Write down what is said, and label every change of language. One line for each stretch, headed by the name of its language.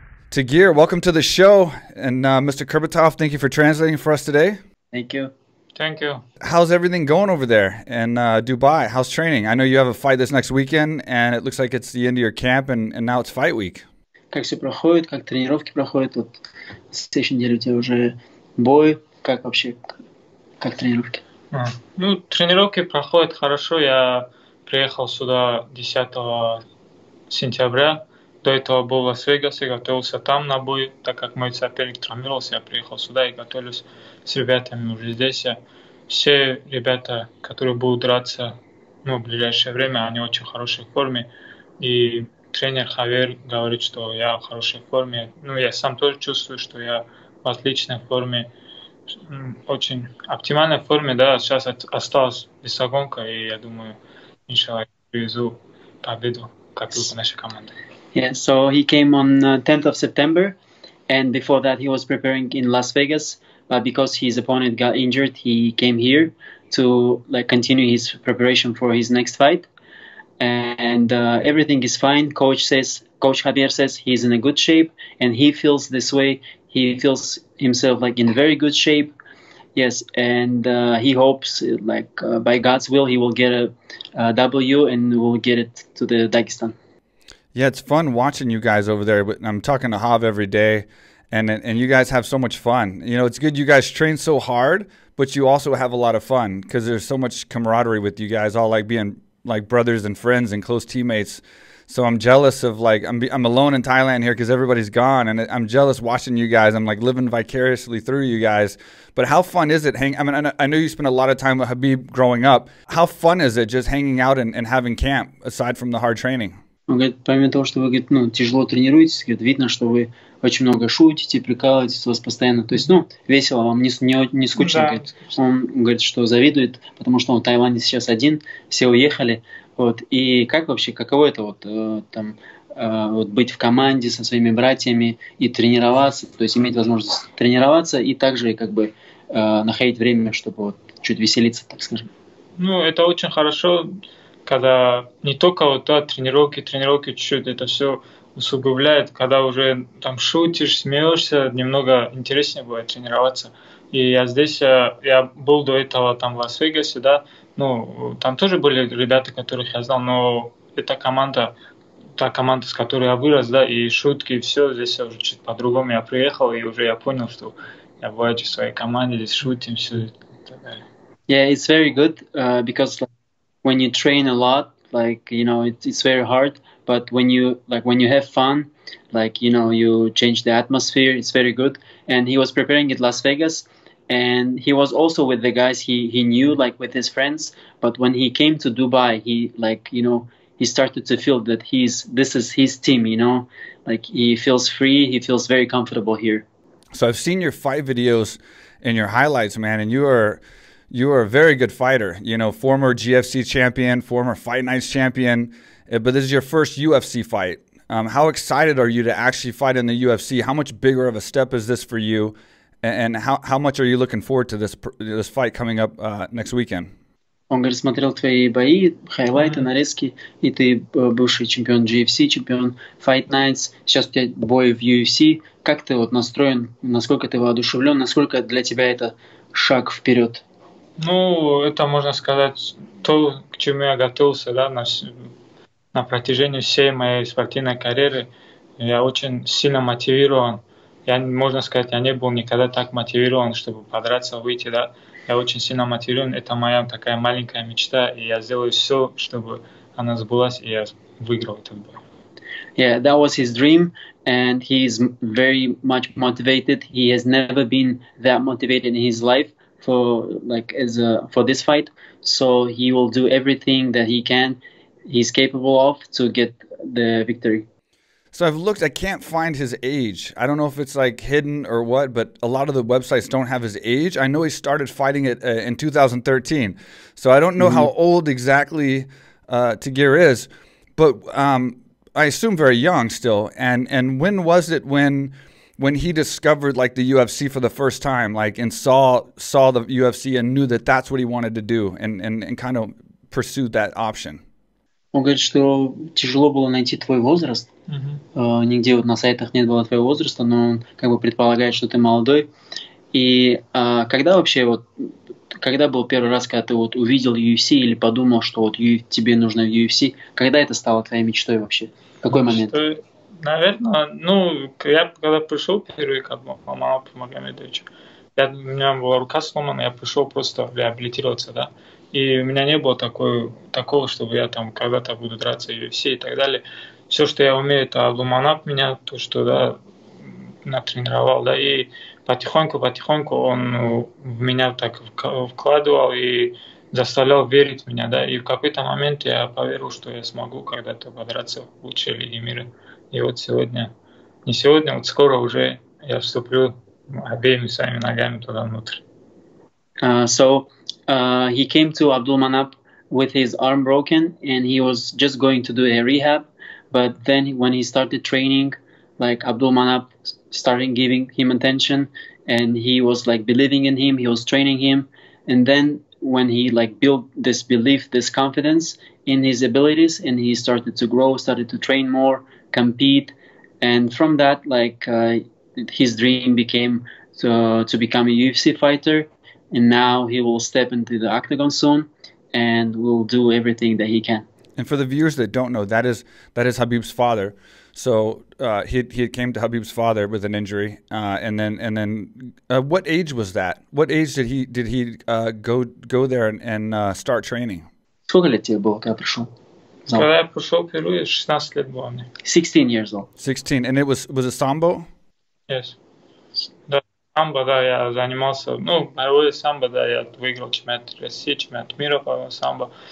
English: Tagir, welcome to the show. And Mr. Kurbatov, thank you for translating for us today. Thank you. How's everything going over there in Dubai? How's training? I know you have a fight this next weekend, and it looks like it's the end of your camp, and now it's fight week.
Russian: Как все проходит? Как тренировки проходят? Вот в следующей неделе у тебя уже бой. Как вообще? Как тренировки? Ну, тренировки проходят хорошо. Я приехал сюда 10 сентября. До этого был в Лас-Вегасе, готовился там на бой. Так как мой соперник травмировался, я приехал сюда и готовлюсь с ребятами уже здесь. Все ребята, которые будут драться в ближайшее время, они в очень хорошей форме. И тренер Хавер говорит, что я в хорошей форме. Ну, я сам тоже чувствую, что я в отличной форме. Очень оптимальной форме, да. Сейчас осталась бесогонка, и я думаю, иншаллах, привезу победу, как и нашей команды.
English: Yeah, so he came on 10th of September, and before that he was preparing in Las Vegas, but because his opponent got injured, he came here to like continue his preparation for his next fight. And everything is fine. Coach Javier says he's in a good shape, and he feels this way. He feels himself like in very good shape. Yes, and he hopes, like by God's will, he will get a W and will get it to the Dagestan. Yeah, it's fun watching you guys over there. I'm talking to Hav every day, and you guys have so much fun. You know, it's good you guys train so hard, but you also have a lot of fun because there's so much camaraderie with you guys, all like being like brothers and friends and close teammates. So I'm jealous of like, I'm alone in Thailand here because everybody's gone, and I'm jealous watching you guys. I'm like living vicariously through you guys. But how fun is it hanging? I mean, I know you spent a lot of time with Khabib growing up. How fun is it just hanging out and having camp aside from the hard training?
Russian: Он говорит, помимо того, что вы, говорит, ну, тяжело тренируетесь, говорит, видно, что вы очень много шутите, прикалываетесь у вас постоянно. То есть, ну, весело, вам не скучно, да. Говорит. Он говорит, что завидует, потому что он в Таиланде сейчас один, все уехали. Вот. И как вообще, каково это вот, там, вот быть в команде со своими братьями и тренироваться, то есть иметь возможность тренироваться и также как бы находить время, чтобы вот чуть веселиться, так скажем. Ну, это очень хорошо. Когда не только вот, да, тренировки чуть-чуть, это все усугубляет, когда уже там шутишь, смеешься, немного интереснее будет тренироваться. И я здесь, я был до этого там в Лас-Вегасе, да, ну, там тоже были ребята, которых я знал, но эта команда, та команда, с которой я вырос, да, и шутки, и все, здесь я уже чуть по-другому, я приехал, и уже я понял, что я бываю в своей команде, здесь шутим, все и так далее.
English: Yeah, it's very good, because... When you train a lot, like, you know, it's very hard, but when you have fun, like, you know, you change the atmosphere, it's very good. And he was preparing in Las Vegas, and he was also with the guys he knew, like with his friends, but when he came to Dubai, he, like, you know, he started to feel that this is his team, you know, like he feels free, he feels very comfortable here. So I've seen your fight videos and your highlights, man, and you are a very good fighter, you know, former GFC champion, former Fight Nights champion, but this is your first UFC fight. How excited are you to actually fight in the UFC? How much bigger of a step is this for you? And how much are you looking forward to this fight coming up next weekend?
Russian: Он говорит, смотрел твои бои, хайлайты, нарезки, и ты бывший чемпион GFC, чемпион Fight Nights, сейчас у тебя бой в UFC. Как ты вот настроен, насколько ты воодушевлен, насколько для тебя это шаг вперед? Ну, это, можно сказать, то, к чему я готовился, да, на протяжении всей моей спортивной карьеры. Я очень сильно мотивирован. Я, можно сказать, я не был никогда так мотивирован, чтобы подраться, выйти, да. Я очень сильно мотивирован. Это моя такая маленькая мечта, и я сделаю все, чтобы она сбылась, и я выиграл этот бой.
English: Yeah, that was his dream, and he is very much motivated. He has never been that motivated in his life for like as a, for this fight. So he will do everything that he can, he's capable of, to get the victory. So I've looked, I can't find his age. I don't know if it's like hidden or what, but a lot of the websites don't have his age. I know he started fighting it in 2013. So I don't know how old exactly Tagir is, but I assume very young still. And when was it when he discovered like the UFC for the first time, like and saw the UFC and knew that that's what he wanted to do and kind of pursued that option?
Russian: Он говорит, что тяжело было найти твой возраст. Нигде вот на сайтах нет было твоего возраста, но он как бы предполагает, что ты молодой. И когда вообще вот, когда был первый раз, когда ты вот увидел UFC или подумал, что вот тебе нужно в UFC, когда это стало твоей мечтой вообще? Какой момент? Наверное, ну, я когда пришел первый к Абдулмапу Магомедовичу, у меня была рука сломана, я пришел просто реабилитироваться, да. И у меня не было такого, чтобы я там когда-то буду драться UFC и так далее. Все, что я умею, это Абдулманап меня, то, что да, натренировал, да, и потихоньку-потихоньку он в меня так вкладывал и заставлял верить в меня, да. И в какой-то момент я поверил, что я смогу когда-то подраться в лучшей лиге мира. И вот сегодня, не сегодня, вот скоро уже я вступлю обеими своими ногами туда внутрь.
English: He came to Abdulmanap with his arm broken and he was just going to do a rehab. But then when he started training, like Abdulmanap started giving him attention and he was like believing in him, he was training him. And then when he like built this belief, this confidence in his abilities, and he started to grow, started to train more, compete. And from that, like his dream became to become a UFC fighter. And now he will step into the octagon soon and will do everything that he can. And for the viewers that don't know, that is Khabib's father. So he came to Khabib's father with an injury. And then what age was that? What age did he go there and start training?
Russian: Сколько лет тебе было, когда пришел? Когда я пришел впервые, 16 лет было мне.
English: 16 years old. 16. And it was a sambo? Yes.
Russian: Самбо, да, я занимался, ну, боевое самбо, да, я выиграл чемпионат России, чемпионат мира по самбо.